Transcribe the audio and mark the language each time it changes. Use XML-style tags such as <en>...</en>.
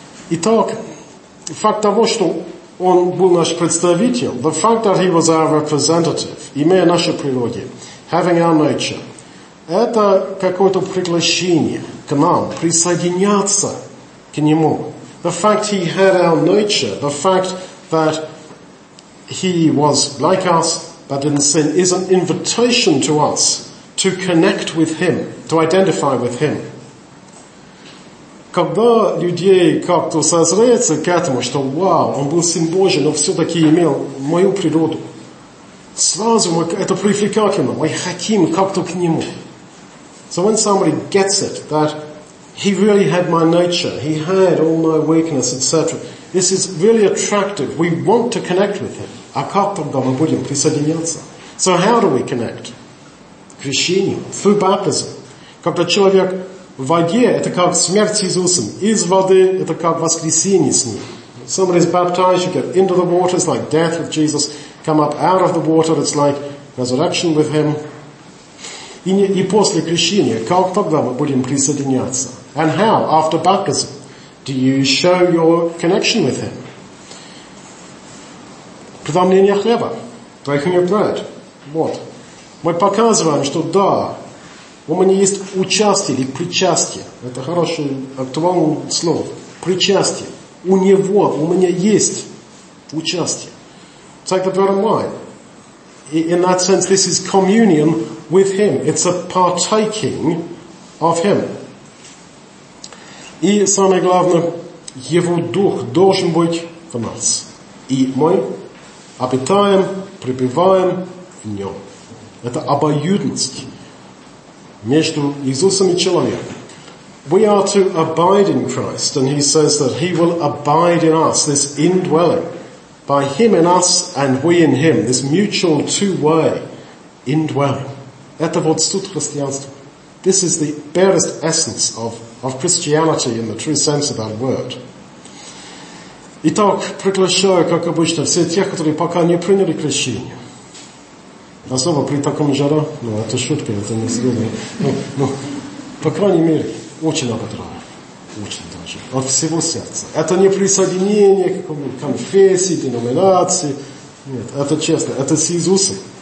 <ru>Итак, факт того, что он был наш представитель,</ru> <en>the fact that he was our representative,</en> <ru>имея наше природе,</ru> <en>having our nature,</en> <ru>это какое-то приглашение к нам, присоединяться к нему.</ru> <en>The fact he had our nature, the fact that he was like us, but didn't sin, is an invitation to us to connect with him, to identify with him.</en> <ru>Когда людей как-то созреется к этому, что вау, он был сын Божий, но все-таки имел мою природу. Сразу мы, это привлекательно, мы хотим как-то к нему.</ru> <en>So when somebody gets it, that he really had my nature, he had all my weakness, etc. This is really attractive, we want to connect with him.</en> <ru>А как тогда мы будем присоединяться?</ru> <en>So how do we connect?</en> <ru>Крещением,</ru> <en>through baptism.</en> <ru>Когда человек в воде, это как смерть с Иисусом. Из воды, это как воскресение с Ним.</ru> <en>Somebody is baptized, you get into the water, it's like death with Jesus. Come up out of the water, it's like resurrection with Him.</en> <ru>И после крещения, как тогда мы будем присоединяться?</ru> <en>And how, after baptism, do you show your connection with Him?</en> <ru>Преломление хлеба.</ru> <en>Breaking your bread. What?</en> <ru>Мы показываем, что да, у меня есть участие или причастие. Это хорошее, актуальное слово. Причастие. У него, у меня есть участие.</ru> <en>It's like the bread and wine. In that sense, this is communion with Him. It's a partaking of Him.</en> <ru>И самое главное, Его Дух должен быть в нас. И мы обитаем, пребываем в Нем. Это обоюдность между Иисусом и человеком.</ru> <en>We are to abide in Christ, and He says that He will abide in us, this indwelling, by Him in us and we in Him, this mutual two-way indwelling.</en> <ru>Это вот суть христианства.</ru> <en>This is the barest essence of Christianity in the true sense of that word.</en> <ru>Итак, приглашаю, как обычно, все тех, которые пока не приняли крещение. Особо при таком жару, ну это шутка, это не серьезно. Ну, по крайней мере, очень ободрая. Очень даже. От всего сердца. Это не присоединение к какому-то конфессии, деноминации. Нет, это честно. Это с Иисусом.</ru>